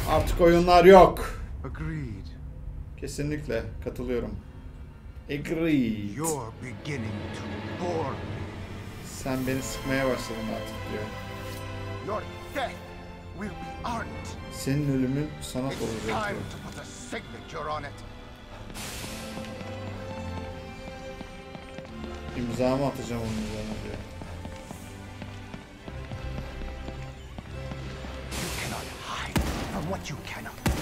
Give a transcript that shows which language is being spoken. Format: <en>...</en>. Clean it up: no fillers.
<tr>Artık oyunlar yok.</tr> <en>Agreed.</en> <tr>Kesinlikle katılıyorum.</tr> <en>Agreed. You're beginning to bore me.</en> <tr>Sen beni sıkmaya başladın artık diyor.</tr> <en>Your death will be art.</en> <tr>Senin ölümün sanat olacak.</tr> <en>It's time to put a signature on it.</en> <tr>İmzamı atacağım onun üzerine diyor.</tr> <en>You cannot hide from what you cannot.</en>